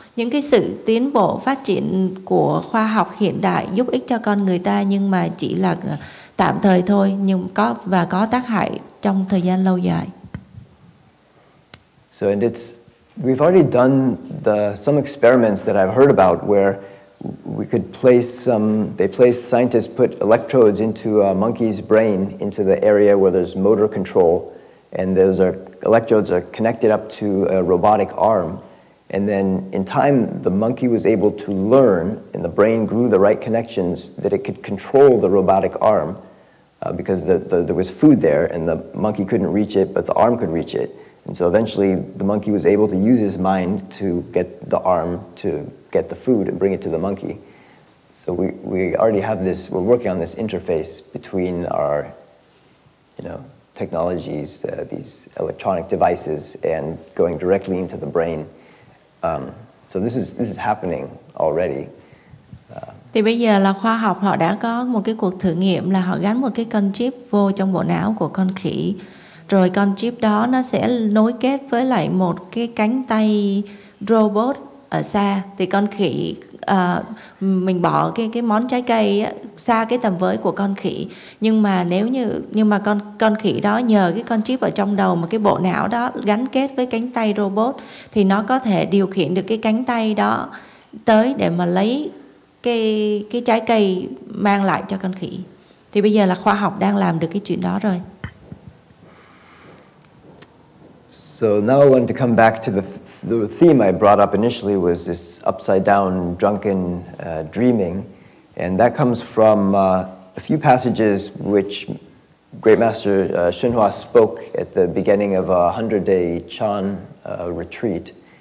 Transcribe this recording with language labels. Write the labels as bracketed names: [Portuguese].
[Vietnamese] cái sự tiến bộ phát triển của khoa học hiện đại giúp ích cho con người ta, nhưng mà chỉ là tạm thời thôi, nhưng có tác hại trong thời gian lâu dài. [English] So, and we've already done some experiments that I've heard about where we could place scientists put electrodes into a monkey's brain, into the area where there's motor control, and those are electrodes are connected up to a robotic arm. And then in time, the monkey was able to learn, and the brain grew the right connections that it could control the robotic arm, because there was food there, and the monkey couldn't reach it, but the arm could reach it. And so eventually the monkey was able to use his mind to get the arm to get the food and bring it to the monkey. So we already have this, we're working on this interface between our, you know, technologies, these electronic devices, and going directly into the brain. So this is happening already. [Vietnamese] Thì bây giờ là khoa học họ đã có một cái cuộc thử nghiệm là họ gắn một cái con chip vô trong bộ não của con khỉ. Rồi con chip đó nó sẽ nối kết với lại một cái cánh tay robot ở xa. Thì con khỉ, mình bỏ cái món trái cây á, xa cái tầm với của con khỉ. Nhưng mà con khỉ đó nhờ cái con chip ở trong đầu mà cái bộ não đó gắn kết với cánh tay robot, thì nó có thể điều khiển được cái cánh tay đó tới để mà lấy cái trái cây mang lại cho con khỉ. Thì bây giờ là khoa học đang làm được cái chuyện đó rồi. [English] So now I want to come back to the theme I brought up initially, was this upside down drunken dreaming, and that comes from a few passages which Great Master Hsuan Hua spoke at the beginning of a 100-day Chan retreat,